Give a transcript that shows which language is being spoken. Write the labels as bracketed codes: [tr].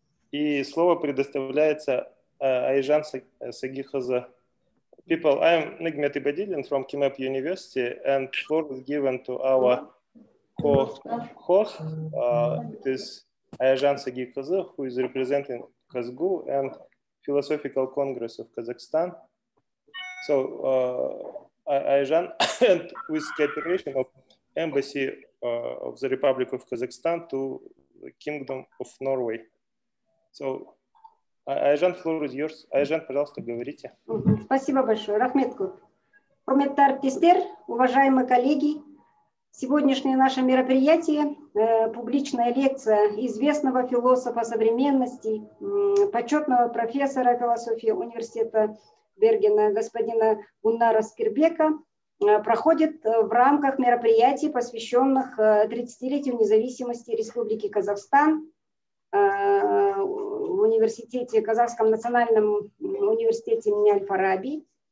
[ru] И слово предоставляется Айжан Сагихоза. [en] People, I am Nigmet Ibadilin from KIMEP University, and floor is given to our co-host, it is Ayajan Sagikhoza, who is representing KAZGU and Philosophical Congress of Kazakhstan. So, Ayajan, and with cooperation of Embassy of the Republic of Kazakhstan to the Kingdom of Norway. So, Айжан, floor is yours. [ru] Айжан, пожалуйста, говорите. Спасибо большое. [kk] Рахмет Куд. Хурметтар Тестер, [ru] уважаемые коллеги, сегодняшнее наше мероприятие, публичная лекция известного философа современности, почетного профессора философии университета Бергена, господина Гуннара Скирбека, проходит в рамках мероприятий, посвященных 30-летию независимости Республики Казахстан, в университете, Казахском национальном университете имени Аль-Фараби.